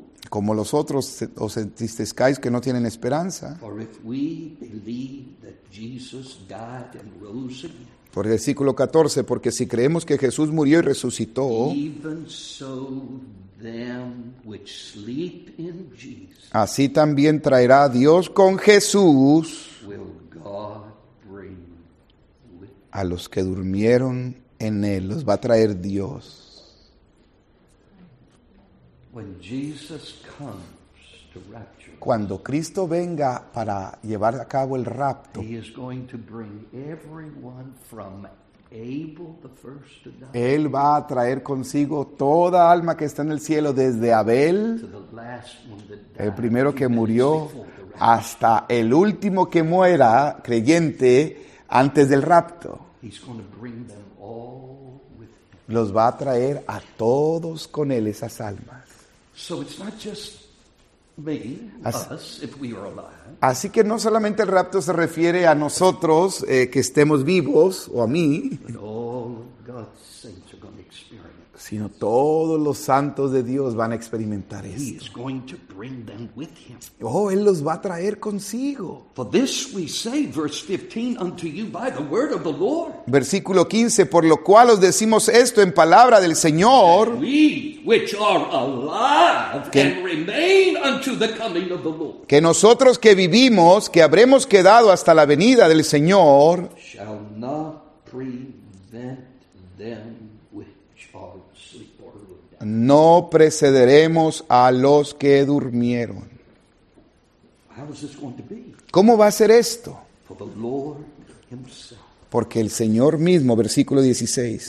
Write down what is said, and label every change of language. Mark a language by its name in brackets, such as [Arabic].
[Spanish] Como los otros os entristezcáis que no tienen esperanza. [English] For if we believe that Jesus died and rose again, [Spanish] por el versículo 14, porque si creemos que Jesús murió y resucitó, [English] even so them which sleep in Jesus, [Spanish] así también traerá Dios con Jesús [English] will God bring with [Spanish] a los que durmieron en Él. Los va a traer Dios. [English] When Jesus comes to rapture, [Spanish] cuando Cristo venga para llevar a cabo el rapto, [English] He is going to bring everyone from Abel, the first to die, [Spanish] Él va a traer consigo toda alma que está en el cielo, desde Abel, el primero que murió, hasta el último que muera creyente antes del rapto. [English] He's going to bring them all with him. [Spanish] Los va a traer a todos con Él, esas almas. [English] So it's not just me, us, if we are alive. [Spanish] Así que no solamente el rapto se refiere a nosotros, que estemos vivos, o a mí, [English] God's saints are going to experience. [Spanish] Sino todos los santos de Dios van a experimentar esto. [English] He is going to bring them with him. [Spanish] Oh, él los va a traer consigo. [English] For this we say, verse 15, unto you by the word of the Lord. [Spanish] Versículo 15, por lo cual os decimos esto en palabra del Señor. [English] We which are alive and remain unto the coming of the Lord. [Spanish] Que nosotros que vivimos, que habremos quedado hasta la venida del Señor, [English] shall not prevent them which are asleep or down. [Spanish] No precederemos a los que durmieron. [English] How is this going to be? [Spanish] ¿Cómo va a ser esto? [English] For the Lord himself. [Spanish] Porque el Señor mismo, versículo 16.